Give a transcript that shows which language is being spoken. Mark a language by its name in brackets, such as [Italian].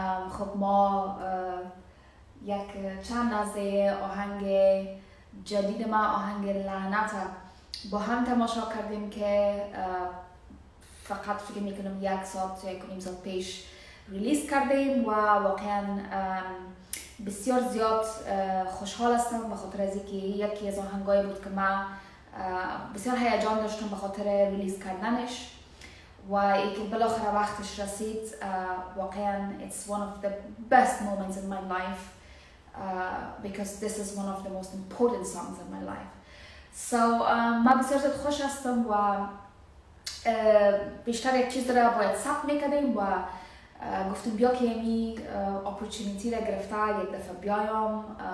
[Persian] خب ما یک چند نزده آهنگ جدید ما، آهنگ لع.نت با هم تماشا کردیم که فقط فکر میکنم یک سال تا یک نیم سال پیش ریلیز کردیم و واقعا بسیار زیاد خوشحال هستم به خاطر از اینکه یکی از آهنگایی بود که من بسیار هیجان داشتم به خاطر ریلیز کردنش و اینکه بالاخره وقتش رسید. [English] واقعا it's one of the best moments in my life because this is one of the most important songs in my life. [Persian] So من بسیار زیاد خوش هستم و بیشتر یک چیز را باید ثبت میکنیم و گفتم بیا که امی اپورتونیتی را گرفته یک دفعه بیایم